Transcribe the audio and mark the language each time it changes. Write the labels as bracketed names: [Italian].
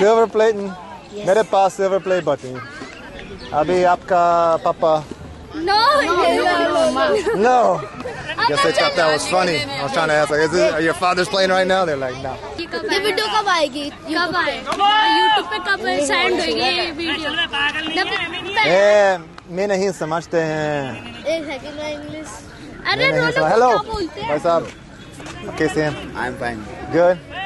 [English] Silver play button. [Hindi] मेरे पास [English] silver play button. [Hindi] अभी आपका पापा. [English] No. I guess they thought that was funny. I was trying to ask, like, are your father's playing right now? They're like, no. [Hindi] ये video कब आएगी? कब आए? YouTube पे कब सेंड होगी ये वीडियो? मैं नहीं समझते हैं. एक सेकंड इंग्लिश. अरे हेलो. भाई साहब. कैसे हैं? [English] I'm fine. Good.